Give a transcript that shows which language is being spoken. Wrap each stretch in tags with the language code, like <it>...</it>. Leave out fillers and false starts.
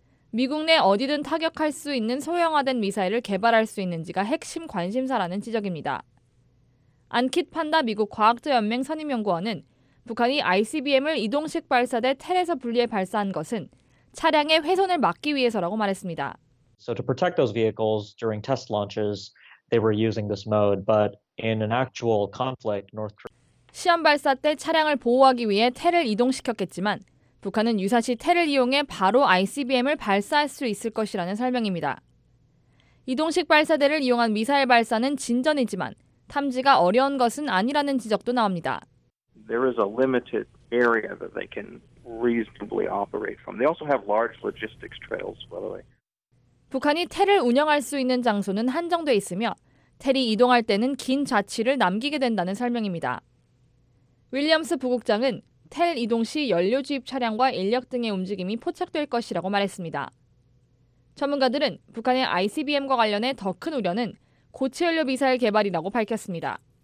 <ko>미국 내 어디든 타격할 수 있는 소형화된 미사일을 개발할 수 있는지가 핵심 관심사라는 지적입니다. 안킷 판다 미국 과학자연맹 선임연구원은 북한이 ICBM을 이동식 발사대 텔에서 분리해 발사한 것은 차량의 훼손을 막기 위해서라고 말했습니다.</ko> <en>So to protect those vehicles during test launches, they were using this mode, but in an actual conflict, North Korea</en> <ko>시험 발사 때 차량을 보호하기 위해 텔을 이동시켰겠지만 북한은 유사시 텔을 이용해 바로 ICBM을 발사할 수 있을 것이라는 설명입니다. 이동식 발사대를 이용한 미사일 발사는 진전이지만 탐지가 어려운 것은 아니라는 지적도 나옵니다.</ko> <en>There is a limited area that they can reasonably operate from. They also have large logistics trails, by the way.</en> <ko>북한이 텔을 운영할 수 있는 장소는 한정돼 있으며 텔이 이동할 때는 긴 좌치를 남기게 된다는 설명입니다. 윌리엄스 부국장은 텔 이동 시 연료 주입 차량과 인력 등의 움직임이 포착될 것이라고 말했습니다. 전문가들은 북한의 ICBM과 관련해 더 큰 우려는 고체연료 미사일 개발이라고 밝혔습니다.</ko>